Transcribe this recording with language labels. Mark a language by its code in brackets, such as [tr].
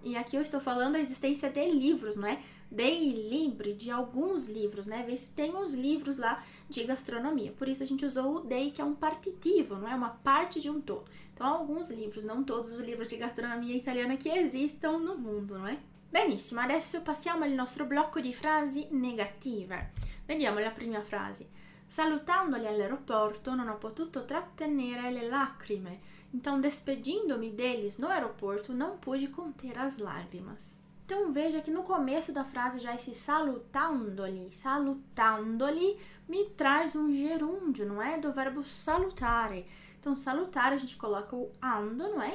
[pt] E aqui eu estou falando a existência de livros, não é? Dei libri, de alguns livros, né? Vê se tem uns livros lá de gastronomia. Por isso, a gente usou o dei, que é um partitivo, não é? Uma parte de um todo. Então, alguns livros, não todos os livros de gastronomia italiana que existam no mundo, não é? [it] Benissimo, adesso passiamo al nostro blocco di frasi negative. Vediamo la prima frase. Salutandoli all'aeroporto non ho potuto trattenere le lacrime. [pt] Então, despedindo-me deles no aeroporto, não pude conter as lágrimas. Então, veja que no começo da frase já esse salutandoli, salutandoli, me traz um gerúndio, não é? Do verbo salutare. Então, salutare, a gente coloca o ando, não é?